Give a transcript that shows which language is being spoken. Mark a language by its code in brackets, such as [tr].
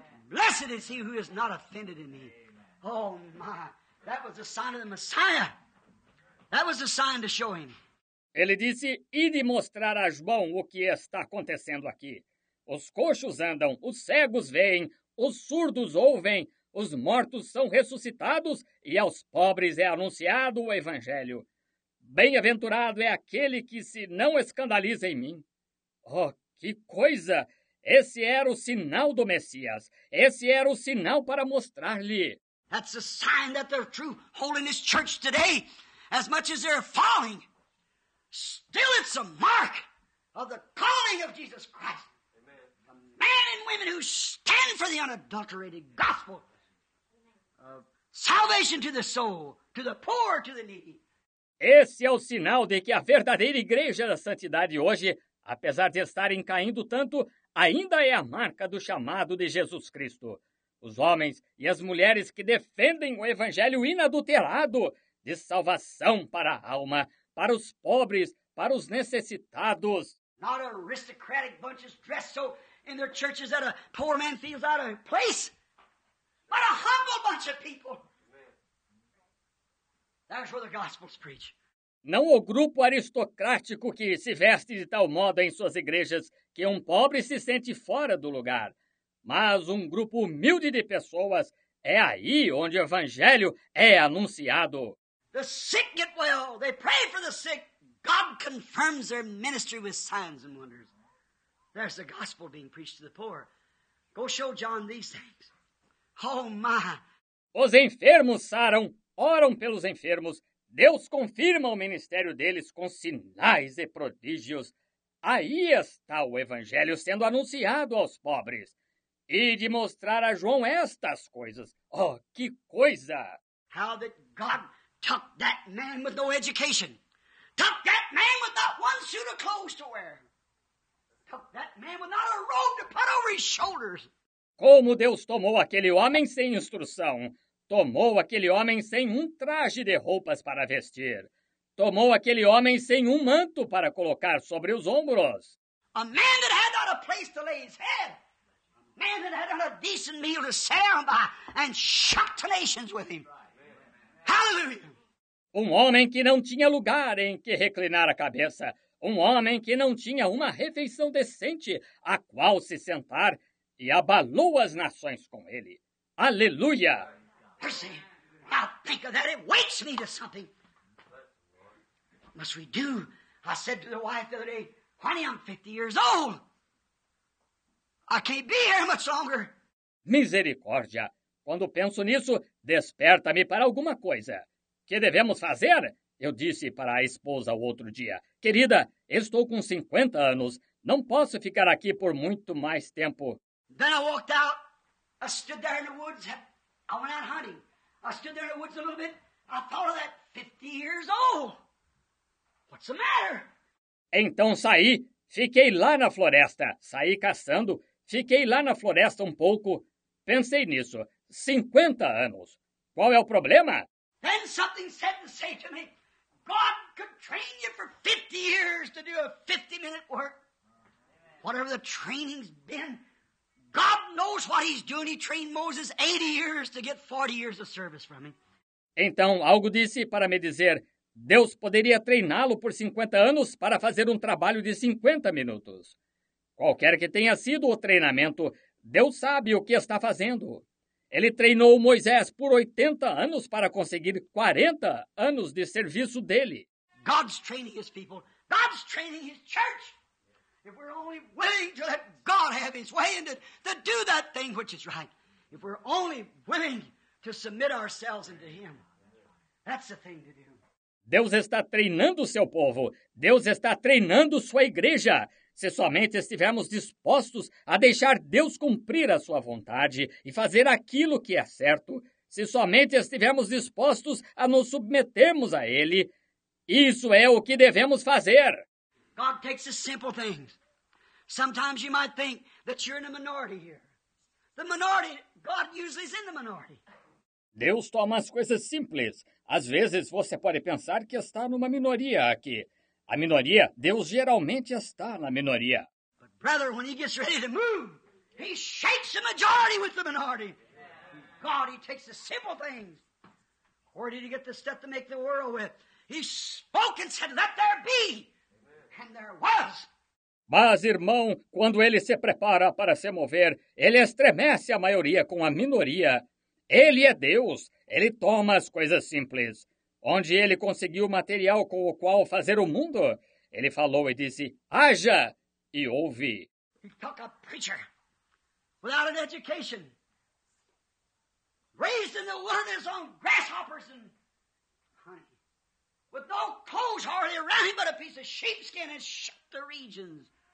[en] Blessed is he who is not offended in me. Oh my, that was a sign of the Messiah. That was a sign to show him. [pt] Ele disse, ide mostrar a João o que está acontecendo aqui. Os coxos andam, os cegos veem, os surdos ouvem, os mortos são ressuscitados e aos pobres é anunciado o Evangelho. Bem-aventurado é aquele que se não escandaliza em mim. Oh, que coisa! Esse era o sinal do Messias. Esse era o sinal para mostrar-lhe. [en] That's a sign that their true holiness church today, as much as they're falling, still it's a mark of the calling of Jesus Christ. Men and women who stand for the unadulterated gospel of salvation to the soul, to the poor, to the needy. [pt] Esse é o sinal de que a verdadeira igreja da santidade hoje, apesar de estarem caindo tanto, ainda é a marca do chamado de Jesus Cristo. Os homens e as mulheres que defendem o evangelho inadulterado de salvação para a alma, para os pobres, para os necessitados. [en] Not aristocratic bunches dressed so in their churches that a poor man feels out of place, but a humble bunch of people. That's where the gospel's preach. [pt] Não o grupo aristocrático que se veste de tal modo em suas igrejas que um pobre se sente fora do lugar, mas um grupo humilde de pessoas é aí onde o evangelho é anunciado. [en] The sick get well. They pray for the sick. God confirms their ministry with signs and wonders. There's the gospel being preached to the poor. Go show John these things. Oh, my. [pt] Os enfermos saram, oram pelos enfermos. Deus confirma o ministério deles com sinais e prodígios. Aí está o evangelho sendo anunciado aos pobres. E de mostrar a João estas coisas. Oh, que coisa! [en] How that God took that man with no education. Took that man with not one suit of clothes to wear. That man with not a robe to put over his shoulders. [pt] Como Deus tomou aquele homem sem instrução, tomou aquele homem sem um traje de roupas para vestir, tomou aquele homem sem um manto para colocar sobre os ombros. [en] A man that had not a place to lay his head, a man that had not a decent meal to stand by and shout to nations with him. Hallelujah! [pt] Um homem que não tinha lugar em que reclinar a cabeça. Um homem que não tinha uma refeição decente a qual se sentar e abalou as nações com ele. Aleluia! [en] Mercy. Now think of that. It wakes me to something. What must we do? I said to the wife the other day, honey, I'm 50 years old. I can't be here much longer. [pt] Misericórdia. Quando penso nisso, desperta-me para alguma coisa. Que devemos fazer? Eu disse para a esposa o outro dia. Querida, estou com 50 anos. Não posso ficar aqui por muito mais tempo. [en] Then I walked out. I stood there in the woods. I went out hunting. I stood there in the woods a little bit. I thought of that 50 years old. What's the matter? [pt] Então saí. Fiquei lá na floresta. Saí caçando. Fiquei lá na floresta um pouco. Pensei nisso. 50 anos. Qual é o problema? [en] Then something said to say to me, God could train you for 50 years to do a 50-minute work. Whatever the training's been, God knows what he's doing. He trained Moses 80 years to get 40 years of service from him. [pt] Então, algo disse para me dizer, Deus poderia treiná-lo por 50 anos para fazer um trabalho de 50 minutos. Qualquer que tenha sido o treinamento, Deus sabe o que está fazendo. Ele treinou Moisés por 80 anos para conseguir 40 anos de serviço dele. [en] God's training his people. God's training his church. If we're only willing to let God have his way in it, to do that thing which is right. If we're only willing to submit ourselves unto him, that's the thing to do. [pt] Deus está treinando o seu povo. Deus está treinando sua igreja. Se somente estivermos dispostos a deixar Deus cumprir a sua vontade e fazer aquilo que é certo, se somente estivermos dispostos a nos submetermos a Ele, isso é o que devemos fazer. [en] God takes the simple things. Sometimes you might think that you're in a minority here. The minority, God usually is in the minority. [pt] Deus toma as coisas simples. Às vezes você pode pensar que está numa minoria aqui. A minoria, Deus geralmente está na minoria. [en] But brother, when he gets ready to move, he shakes the majority with the minority. God, he takes the simple things. Where did he get the stuff to make the world with? He spoke and said, let there be. And there was. [pt] Mas, irmão, quando ele se prepara para se mover, ele estremece a maioria com a minoria. Ele é Deus. Ele toma as coisas simples. Onde ele conseguiu o material com o qual fazer o mundo? Ele falou e disse, haja! E houve. [en] He took a preacher without an education. Raised in the wilderness on grasshoppers and honey. With no clothes hardly around him but a piece of sheepskin and shook the regions.